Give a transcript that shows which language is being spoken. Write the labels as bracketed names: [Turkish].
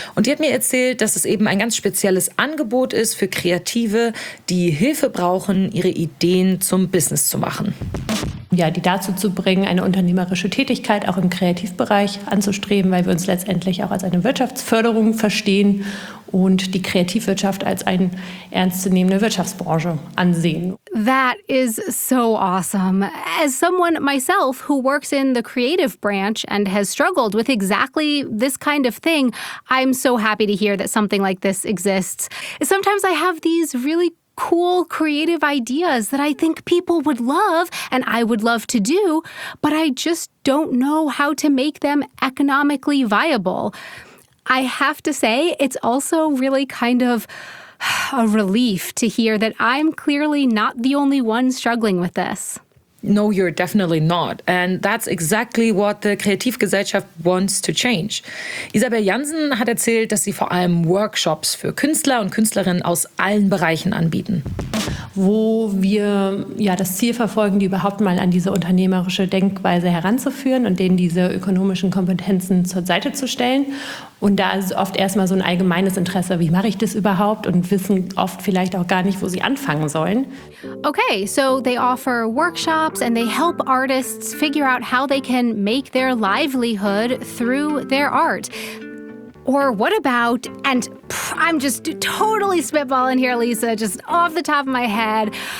[German] Und die hat mir erzählt, dass es eben ein ganz spezielles Angebot ist für Kreative, die Hilfe brauchen, ihre Ideen zum Business zu machen. Ja, die dazu zu bringen, eine unternehmerische Tätigkeit auch im Kreativbereich anzustreben, weil wir uns letztendlich auch als eine Wirtschaftsförderung verstehen und die Kreativwirtschaft als eine ernstzunehmende Wirtschaftsbranche ansehen. [English] That is so awesome. As someone myself who works in the creative branch and has struggled with exactly this kind of thing, I'm so happy to hear that something like this exists. Sometimes I have these really cool creative ideas that I think people would love and I would love to do, but I just don't know how to make them economically viable. I have to say, it's also really kind of a relief to hear that I'm clearly not the only one struggling with this. No, you're definitely not. And that's exactly what the Kreativgesellschaft wants to change. [German] Isabel Jansen hat erzählt, dass sie vor allem Workshops für Künstler und Künstlerinnen aus allen Bereichen anbieten. Wo wir ja das Ziel verfolgen, die überhaupt mal an diese unternehmerische Denkweise heranzuführen und denen diese ökonomischen Kompetenzen zur Seite zu stellen. Und da ist oft erstmal so ein allgemeines Interesse, wie mache ich das überhaupt, und wissen oft vielleicht auch gar nicht, wo sie anfangen sollen. [English] Okay, so they offer workshops and they help artists figure out how they can make their livelihood through their art. Or what about, and I'm just totally spitballing here, Lisa, just off the top of my head.